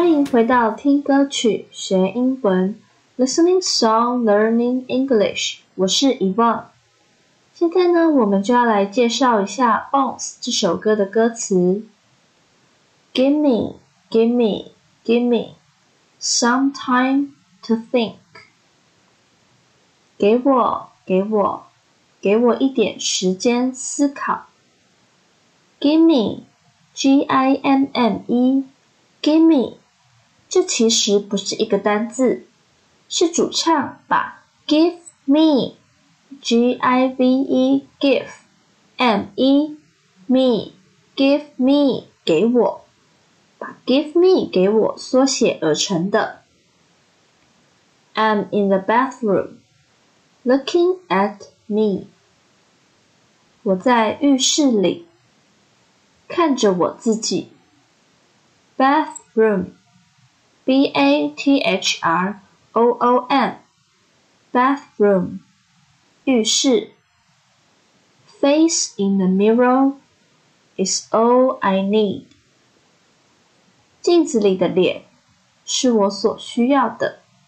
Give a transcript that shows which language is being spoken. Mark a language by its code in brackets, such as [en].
[zh] 回到听歌曲学英文 [en] Listening Song Learning English， [zh] 我是 Yvonne。现在呢，我们就要来介绍一下 Bones 这首歌的歌词。 [en] Gimme, gimme, gimme some time to think， [zh] 给我给我给我一点时间思考。 Gimme, G-I-M-M-E, gimme，这其实不是一个单字，是主唱把 give me, G-I-V-E, give, M-E, me, give me, 给我，把 give me 给我缩写而成的。 [en] I'm in the bathroom, looking at me. [zh] 我在浴室里，看着我自己。 [en] Bathroom. B-A-T-H-R-O-O-M Bathroom 浴室。 Face in the mirror is all I need， [zh] 镜子里的脸是我所需要的。